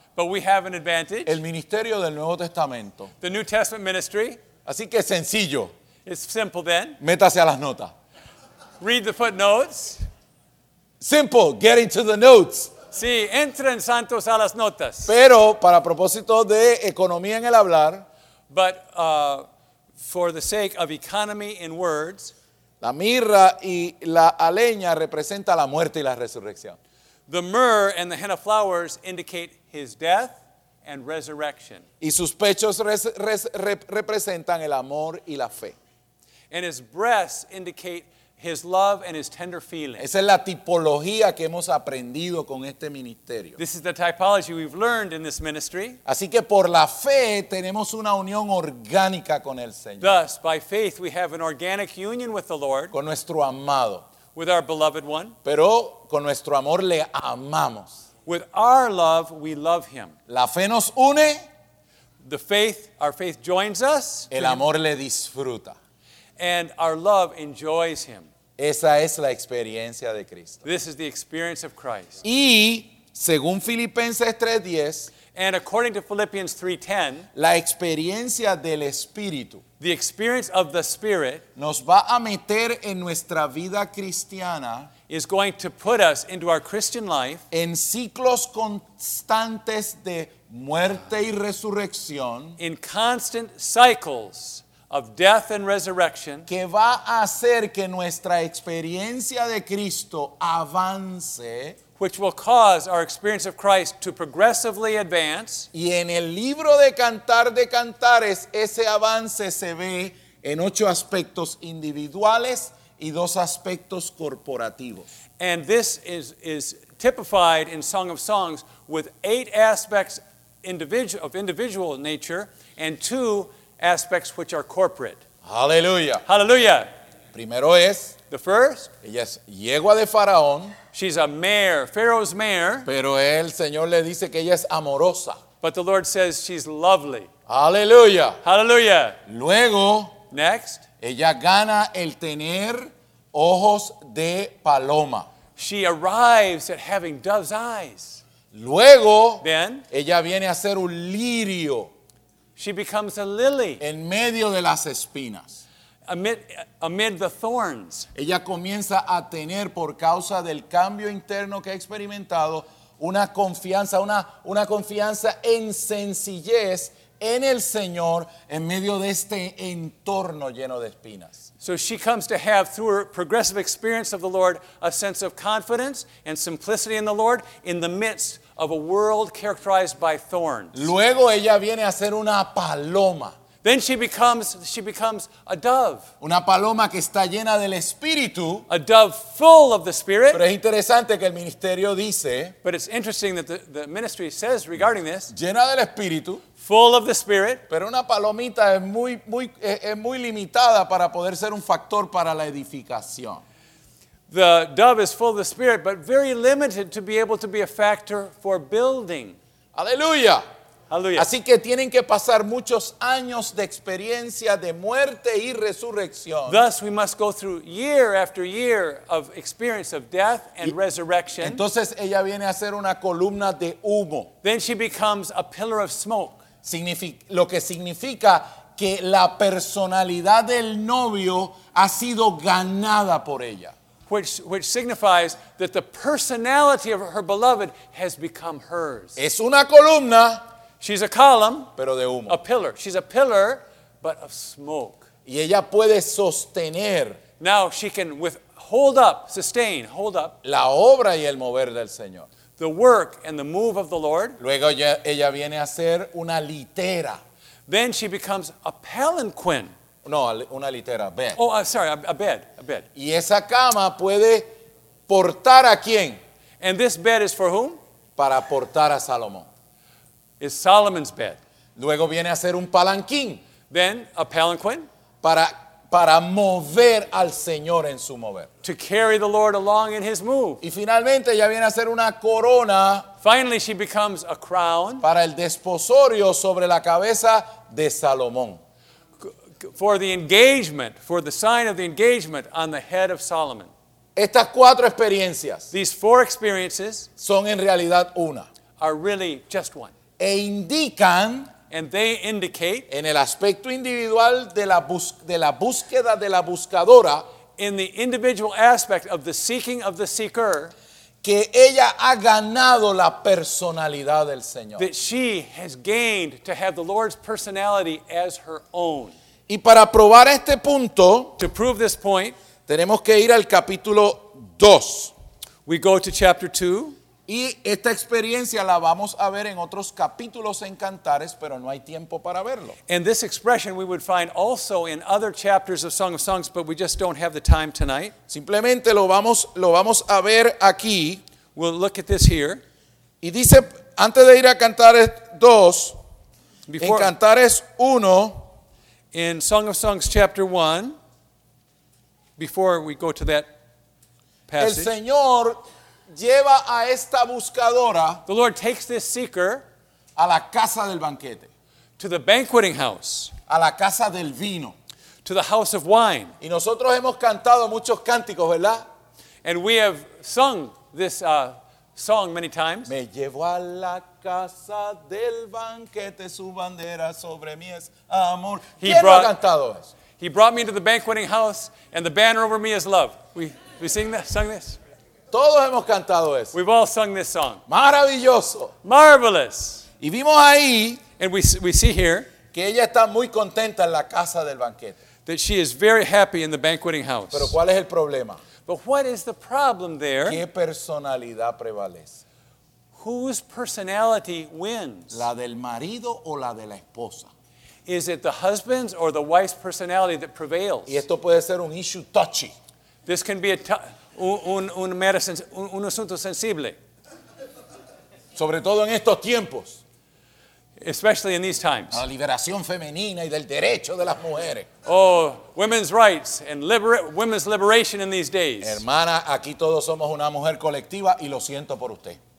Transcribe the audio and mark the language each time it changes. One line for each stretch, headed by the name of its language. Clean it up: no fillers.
English: But we have an advantage.
Spanish: El ministerio del Nuevo Testamento.
English: The New Testament ministry.
Spanish: Así que sencillo.
English: It's simple then.
Spanish: Métase a las notas.
English: Read the footnotes. Simple, get into the notes.
Spanish: Sí, entren santos a las notas. Pero para propósito de economía en el hablar.
English: But for the sake of economy in words.
Spanish: La mirra y la aleña representa la muerte y la resurrección.
English: The myrrh and the henna flowers indicate his death and resurrection.
Spanish: Y sus pechos representan el amor y la fe.
English: And his breasts indicate his love and his tender feelings.
Spanish: Esa es la tipología que hemos aprendido con este ministerio.
English: This is the typology we've learned in this ministry.
Spanish: Así que por la fe tenemos una unión orgánica con el Señor.
English: Thus, by faith, we have an organic union with the Lord.
Spanish: Con nuestro amado.
English: With our beloved one.
Spanish: Pero con nuestro amor le amamos.
English: With our love, we love him.
Spanish: La fe nos une.
English: The faith, our faith joins us.
Spanish: El amor le disfruta.
English: And our love enjoys him.
Spanish: Esa es la experiencia de Cristo.
English: This is the experience of Christ.
Spanish: Y según Filipenses 3:10,
English: and according to Philippians 3:10,
Spanish: la experiencia del Espíritu,
English: the experience of the Spirit,
Spanish: nos va a meter en nuestra vida cristiana,
English: is going to put us into our Christian life,
Spanish: en ciclos constantes de muerte y resurrección,
English: in constant cycles of death and resurrection,
Spanish: que va a hacer que nuestra experiencia de Cristo avance,
English: which will cause our experience of Christ to progressively advance.
Spanish: Y en el libro de Cantar de Cantares, ese avance se ve en 8 aspectos individuales y 2 aspectos corporativos.
English: And this is typified in Song of Songs with 8 aspects of individual nature and 2 aspects which are corporate. Hallelujah. Hallelujah.
Spanish: Primero es.
English: The first.
Spanish: Ella es yegua de faraón.
English: She's a mare, Pharaoh's mare.
Spanish: Pero el Señor le dice que ella es amorosa.
English: But the Lord says she's lovely. Hallelujah. Hallelujah.
Spanish: Luego.
English: Next.
Spanish: Ella gana el tener ojos de paloma.
English: She arrives at having dove's eyes.
Spanish: Luego.
English: Then.
Spanish: Ella viene a ser un lirio.
English: She becomes a lily.
Spanish: En medio de las espinas.
English: Amid the thorns.
Spanish: Ella comienza a tener, por causa del cambio interno que ha experimentado, una confianza en sencillez en el Señor en medio de este entorno lleno de espinas.
English: So she comes to have, through her progressive experience of the Lord, a sense of confidence and simplicity in the Lord in the midst of a world characterized by thorns.
Spanish: Luego ella viene a ser una paloma.
English: Then she becomes a dove.
Spanish: Una paloma que está llena del Espíritu.
English: A dove full of the Spirit.
Spanish: Pero es interesante que el ministerio dice.
English: But it's interesting that the ministry says regarding this.
Spanish: Llena del Espíritu.
English: Full of the Spirit.
Spanish: Pero una palomita es muy limitada para poder ser un factor para la edificación.
English: The dove is full of the Spirit, but very limited to be able to be a factor for building.
Spanish: Aleluya. Aleluya. Así que tienen que pasar muchos años de experiencia de muerte y resurrección.
English: Thus, we must go through year after year of experience of death and resurrection.
Spanish: Entonces ella viene a ser una columna de humo.
English: Then she becomes a pillar of smoke.
Spanish: Lo que significa que la personalidad del novio ha sido ganada por ella.
English: Which signifies that the personality of her beloved has become hers.
Spanish: Es una columna.
English: She's a column.
Spanish: Pero de humo.
English: A pillar. She's a pillar, but of smoke.
Spanish: Y ella puede sostener.
English: Now she can hold up.
Spanish: La obra y el mover del Señor.
English: The work and the move of the Lord.
Spanish: Luego ella viene a ser una litera.
English: Then she becomes a palanquin.
Spanish: No, una litera, bed.
English: Oh, sorry, a bed.
Spanish: Y esa cama puede portar a quién?
English: And this bed is for whom?
Spanish: Para portar a Salomón.
English: It's Solomon's bed.
Spanish: Luego viene a ser un palanquín.
English: Then a palanquin.
Spanish: Para mover al Señor en su mover.
English: To carry the Lord along in his move.
Spanish: Y finalmente ella viene a ser una corona.
English: Finally she becomes a crown.
Spanish: Para el desposorio sobre la cabeza de Salomón.
English: For the engagement, for the sign of the engagement on the head of Solomon.
Spanish: Estas cuatro experiencias.
English: These four experiences.
Spanish: Son en realidad una.
English: Are really just one.
Spanish: E indican.
English: And they indicate.
Spanish: En el aspecto individual de la búsqueda de la buscadora.
English: In the individual aspect of the seeking of the seeker.
Spanish: Que ella ha ganado la personalidad del Señor.
English: That she has gained to have the Lord's personality as her own.
Spanish: Y para probar este punto,
English: to prove this point,
Spanish: tenemos que ir al capítulo 2.
English: We go to chapter 2.
Spanish: Y esta experiencia la vamos a ver en otros capítulos en Cantares, pero no hay tiempo para verlo.
English: And this expression we would find also in other chapters of Song of Songs, but we just don't have the time tonight.
Spanish: Simplemente lo vamos a ver aquí.
English: We'll look at this here.
Spanish: Y dice, antes de ir a Cantares 2, en Cantares 1,
English: in Song of Songs chapter 1, before we go to that passage,
Spanish: el Señor lleva a esta buscadora,
English: the Lord takes this seeker,
Spanish: a la casa del banquete,
English: to the banqueting house,
Spanish: a la casa del vino,
English: to the house of wine.
Spanish: Y nosotros hemos cantado muchos cánticos, ¿verdad?
English: And we have sung this song many times.
Spanish: Me llevo a la casa del banquete, su bandera sobre mí es amor.
English: He brought me to the banqueting house, and the banner over me is love. We sung this.
Spanish: Todos hemos cantado eso.
English: We've all sung this song.
Spanish: Maravilloso.
English: Marvelous.
Spanish: Y vimos ahí,
English: and we see here,
Spanish: que ella está muy contenta en la casa del banquete.
English: That she is very happy in the banqueting house.
Spanish: Pero ¿cuál es el problema?
English: But what is the problem there?
Spanish: ¿Qué personalidad prevalece?
English: Whose personality wins?
Spanish: ¿La del marido o la de la esposa?
English: Is it the husband's or the wife's personality that prevails?
Spanish: Y esto puede ser un
English: issue touchy. This can be
Spanish: un asunto sensible. Sobre todo en estos tiempos.
English: Especially in these times.
Spanish: La liberación femenina y del derecho de las mujeres.
English: Oh, women's rights and women's liberation in these days.
Spanish: Hermana, aquí todos somos una mujer colectiva y lo siento por usted.